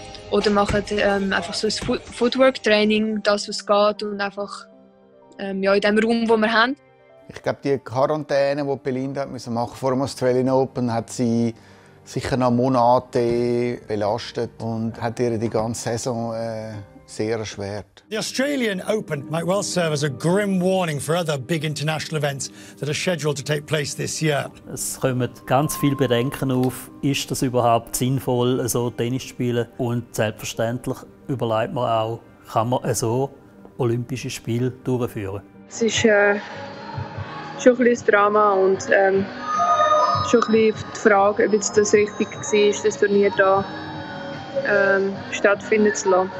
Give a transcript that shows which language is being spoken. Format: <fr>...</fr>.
<de>Oder machen einfach so ein Footwork-Training, das was geht und einfach ja, in dem Raum, den wir haben. Ich glaube, die Quarantäne, die Belinda musste machen vor dem Australian Open, hat sie sicher noch Monate belastet und hat ihr die ganze Saison sehr erschwert.</de> <en>The Australian Open might well serve as a grim warning for other big international events that are scheduled to take place this year.</en> <de>Es kommen ganz viele Bedenken auf. Ist das überhaupt sinnvoll, so Tennis zu spielen? Und selbstverständlich überlegt man auch, kann man so Olympische Spiele durchführen. Es ist schon ein bisschen Drama und schon ein bisschen die Frage, ob es das richtig war, das Turnier hier stattfinden zu lassen.</de>